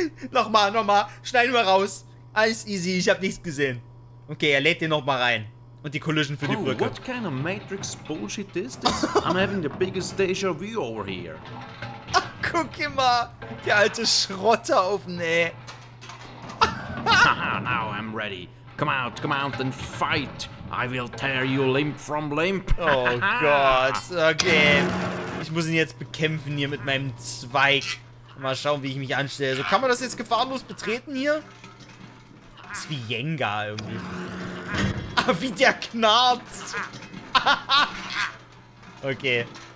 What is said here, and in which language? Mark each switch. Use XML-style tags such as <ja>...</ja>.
<de>Nochmal, schneiden wir raus. Alles easy, ich hab nichts gesehen. Okay, er lädt den nochmal rein. Und die Collision für die Brücke.</de> <en>What kind of Matrix Bullshit is this? I'm having the biggest déjà vu over here.</en> <de>Ach, guck mal, der alte Schrotter auf den Ey.</de> <en>Now I'm ready. Come out and fight. I will tear you limb from limb.</en> <de>Oh Gott, okay. Ich muss ihn jetzt bekämpfen hier mit meinem Zweig. Mal schauen, wie ich mich anstelle. So, kann man das jetzt gefahrlos betreten hier? Das ist wie Jenga irgendwie. Ah, wie der knarzt. Okay.</de>